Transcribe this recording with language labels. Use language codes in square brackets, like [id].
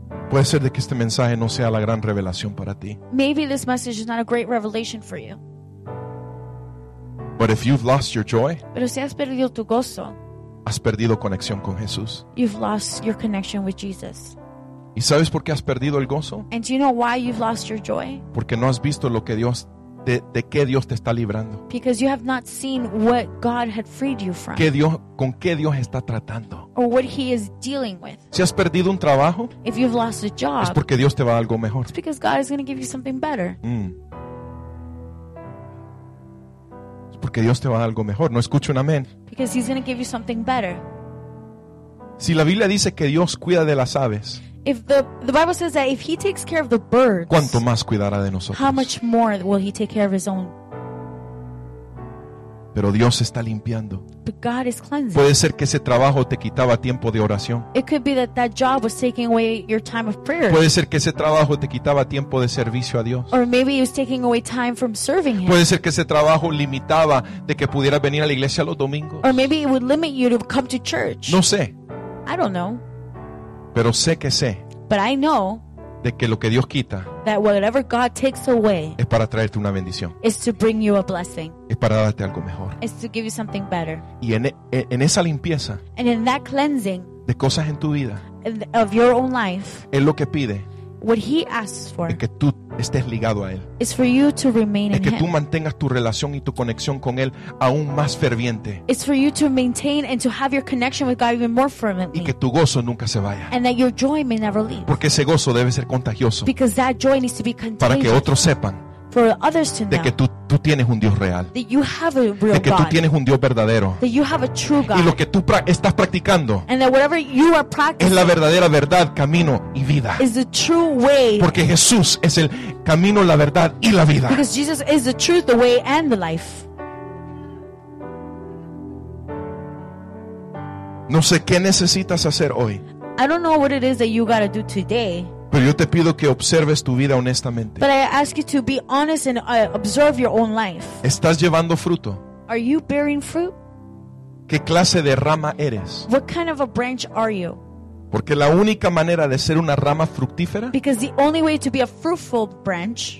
[es] Puede ser de que este mensaje no sea la gran revelación para ti. [en] Maybe this message is not a great revelation for you. But if you've lost your joy, [es] pero si has perdido tu gozo, has perdido conexión con Jesús. [en] You've lost your connection with Jesus. [es] ¿Y sabes por qué has perdido el gozo? [en] And do you know why you've lost your joy? [es] Porque no has visto lo que Dios de qué Dios te está librando. [en] Because you have not seen what God had freed you from. [es] ¿Qué Dios, con qué Dios está tratando? [en] Or what he is dealing with. [es] Si has perdido un trabajo, [en] if you've lost a job, [es] es porque Dios te va a algo mejor. [en] It's because God is going to give you something better. [es] Es porque Dios te va a algo mejor. No escucho un amén. [en] Because he's going to give you something better. [es] Si la Biblia dice que Dios cuida de las aves, [en] If the Bible says that if he takes care of the birds, [es] ¿cuánto más cuidará de nosotros? [en] How much more will he take care of his own? [es] Pero Dios está limpiando. [en] But God is cleansing. [es] Puede ser que ese trabajo te quitaba tiempo de oración. [en] It could be that that job was taking away your time of prayer. [es] Puede ser que ese trabajo te quitaba tiempo de servicio a Dios. [en] Or maybe it was taking away time from serving him. [es] Puede ser que ese trabajo limitaba de que pudieras venir a la iglesia los domingos. [en] Or maybe it would limit you to come to church. [es] No sé. [en] I don't know. [es] Pero sé que sé. [en] But I know [es] de que lo que Dios quita, [en] that whatever God takes away, [es] es para traerte una bendición, [en] is to bring you a blessing, [es] es para darte algo mejor, [en] is to give you something better. [es] Y en esa limpieza, [en] and in that cleansing, [es] de cosas en tu vida, [en] of your own life, [es] es lo que pide, [en] what he asks for, [es] es que tú estés ligado a él, [en] is for you to remain in him, [es] es que tú mantengas tu relación y tu conexión con él aún más ferviente, [en] is for you to maintain and to have your connection with God even more fervently, [es] y que tu gozo nunca se vaya, [en] and that your joy may never leave, [es] porque ese gozo debe ser contagioso, [en] because that joy needs to be contagious, [es] para que otros sepan, [en] for others to know, [es] de que tú tienes un Dios real, [en] that you have a real God, [es] de que tú tienes un Dios verdadero, [en] that you have a true God, [es] y lo que tú estás practicando, [en] and that whatever you are practicing, [es] es la verdadera verdad, camino y vida, [en] is the true way, [es] porque Jesús es el camino, la verdad y la vida, [en] because Jesus is the truth, the way and the life. [es] No sé qué necesitas hacer hoy, [en] I don't know what it is that you gotta do today, [es] pero yo te pido que observes tu vida honestamente. [en] But I ask you to be honest and observe your own life. [es] ¿Estás llevando fruto? [en] Are you bearing fruit? [es] ¿Qué clase de rama eres? [en] What kind of a branch are you? [es] Porque la única manera de ser una rama fructífera, [en] because the only way to be a fruitful branch,